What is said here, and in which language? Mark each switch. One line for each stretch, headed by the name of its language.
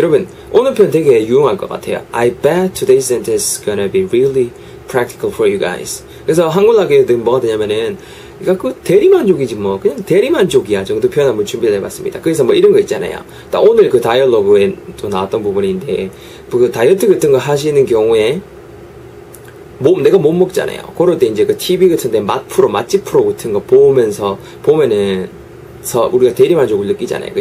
Korean: 여러분 오늘 편 되게 유용할 것 같아요.
English: I bet today's sentence is gonna be really practical for you guys.
Korean: 그래서 한국어로 뭐가 되냐면은 그러니까 그 대리만족이지 뭐 그냥 대리만족이야 정도 표현 한번 준비를 해봤습니다. 그래서 뭐 이런 거 있잖아요. 딱 오늘 그 다이얼로그에 또 나왔던 부분인데 그 다이어트 같은 거 하시는 경우에 몸 내가 못 먹잖아요. 그럴 때 이제 그 TV 같은데 맛집 프로 같은 거 보면서 보면은 서 우리가 대리만족을 느끼잖아요.